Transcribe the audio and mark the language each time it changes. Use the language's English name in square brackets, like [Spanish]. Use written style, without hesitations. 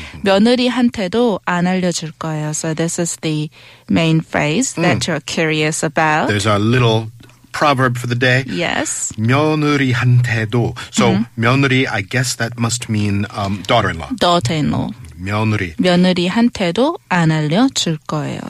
[Korean] 며느리한테도 안 알려줄 거예요. [English] So this is the main phrase that you're curious about. There's our little proverb for the day. Yes. [Korean] 며느리한테도. [English] So 며느리, I guess that must mean daughter-in-law. Daughter-in-law. [Korean] 며느리. 며느리한테도 안 알려줄 거예요.